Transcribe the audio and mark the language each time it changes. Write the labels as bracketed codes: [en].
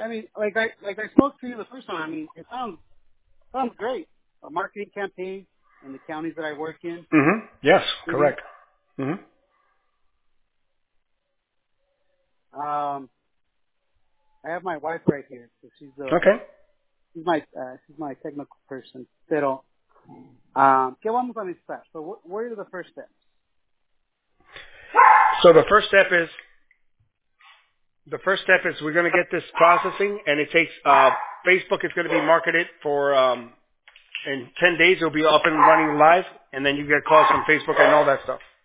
[en] I mean, like I spoke to you the first time. I mean, it sounds great. A marketing campaign in the counties that I work in. Mm-hmm. Yes, correct. Mm-hmm. I have my wife right here. So she's the, okay. She's my technical person. [es] Pero, ¿qué vamos a necesitar? [en] So what are the first steps? So the first step is we're going to get this processing, and it takes Facebook is going to be marketed for in 10 days. It'll be up and running live, and then you get calls from Facebook and all that stuff.